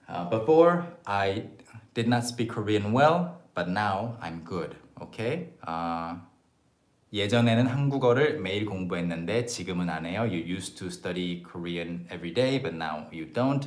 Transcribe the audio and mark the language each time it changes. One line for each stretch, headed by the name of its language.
English: Before, I did not speak Korean well, but now I'm good, okay?
Korean: 예전에는 한국어를 매일 공부했는데 지금은 안 해요.
English: You used to study Korean every day, but now you don't.